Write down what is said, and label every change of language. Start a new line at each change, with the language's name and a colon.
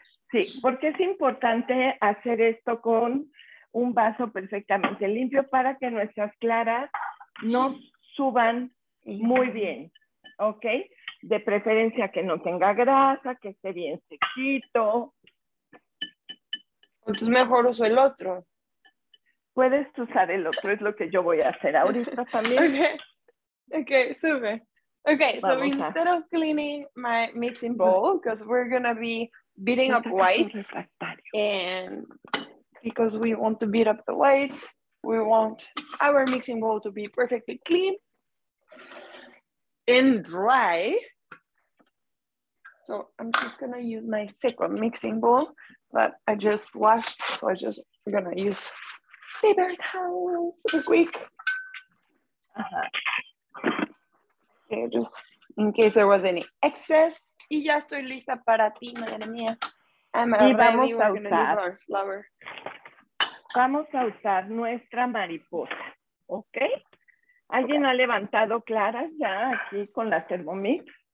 Spanish: Sí, porque es importante hacer esto con un vaso perfectamente limpio para que nuestras claras no suban muy bien, ¿ok? De preferencia que no tenga grasa, que esté bien sequito. Entonces mejor uso el otro. Puedes usar el otro, es lo que yo voy a hacer ahorita también. Okay, sube.
English: Okay, so instead of cleaning my mixing bowl, because we're going to be beating up whites, and because we want to beat up the whites, we want our mixing bowl to be perfectly clean and dry. So I'm just gonna use my second mixing bowl that I just washed, so I'm just gonna use paper towels real quick. Okay, just in case there was any excess.
Spanish: Y ya estoy lista para ti, madre mía. Y vamos a usar. Vamos a usar nuestra mariposa, ¿ok? ¿Alguien ha levantado claras ya aquí con la Thermomix?